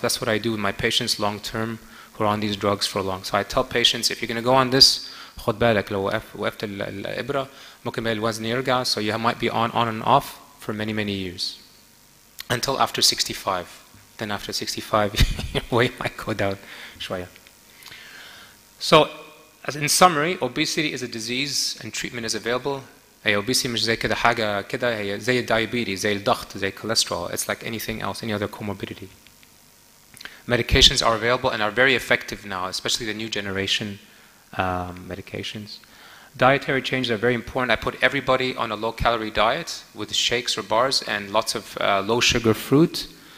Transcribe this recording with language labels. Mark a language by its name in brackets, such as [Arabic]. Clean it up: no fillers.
[English] That's what I do with my patients long term who are on these drugs for long. So I tell patients, if you're going to go on this, [Arabic] خد بالك لو وقفت الإبرة ممكن الوزن يرجع. [English] So you might be on and off for many, many years. Until after 65. Then after 65, your weight might go down. [Arabic] شوية. [English] So, as in summary, obesity is a disease and treatment is available. [Arabic] Hey, obesity مش زي كده حاجة كده, هي زي diabetes, زي الضغط, زي cholesterol. [English] It's like anything else, any other comorbidity. Medications are available and are very effective now, especially the new generation medications. Dietary changes are very important. I put everybody on a low-calorie diet with shakes or bars and lots of low-sugar fruit.